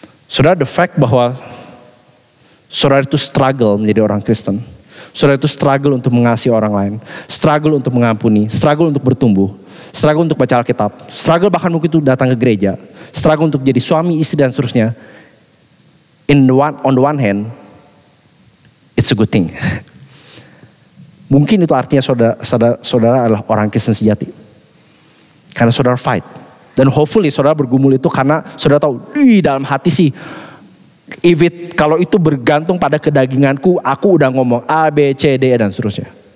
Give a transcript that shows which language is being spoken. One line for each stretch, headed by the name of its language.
Indonesian: Saudara,
English: the fact
Indonesian: bahwa saudara itu struggle menjadi orang Kristen. Saudara itu struggle untuk mengasihi orang lain. Struggle untuk mengampuni. Struggle untuk bertumbuh. Struggle untuk baca Alkitab. Struggle bahkan mungkin itu datang ke gereja. Struggle untuk jadi suami, istri, dan seterusnya.
English: On the one hand, it's a good thing.
Indonesian: Mungkin itu artinya saudara adalah orang Kristen sejati. Karena saudara fight. Dan hopefully saudara bergumul itu karena saudara tahu, dalam hati sih, kalau itu bergantung pada kedaginganku, aku udah ngomong A, B, C, D, dan seterusnya.